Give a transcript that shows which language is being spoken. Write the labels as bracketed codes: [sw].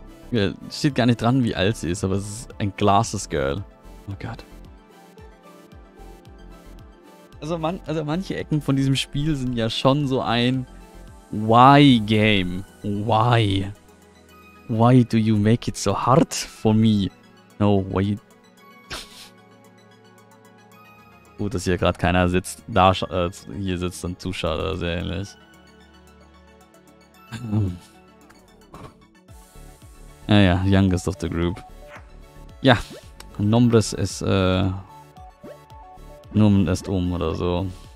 [de] Ja, steht gar nicht dran, wie alt sie ist, aber es ist ein Glasses Girl. Oh Gott. Also manche Ecken von diesem Spiel sind ja schon so ein Why-Game. [en] Why? Why do you make it so hard for me? No, why... [de] Gut, dass hier gerade keiner sitzt, da hier sitzt ein Zuschauer oder so ähnlich. Naja, ja, [en] youngest of the group. [de] Ja, Nombres ist Nomen ist oder so.